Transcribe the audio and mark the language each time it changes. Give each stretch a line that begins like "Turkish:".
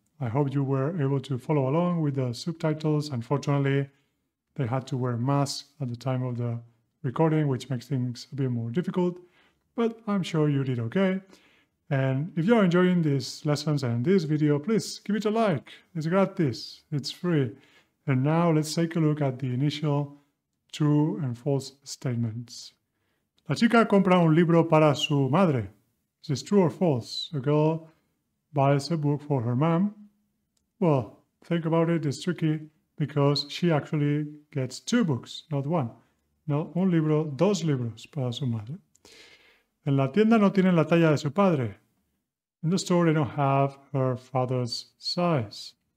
English: I hope you were able to follow along with the subtitles. Unfortunately, they had to wear masks at the time of the recording, which makes things a bit more difficult, but I'm sure you did okay. And if you are enjoying these lessons and this video, please give it a like. It's gratis. It's free. And now let's take a look at the initial true and false statements.
Spanish: La chica compra un libro para su madre.
English: Is this true or false? A girl buys a book for her mom. Well, think about it, it's tricky because she actually gets two books, not one.
Spanish: No, un libro, dos libros para su madre. En la tienda no tienen la talla de su padre.
English: In the store they don't have her father's size.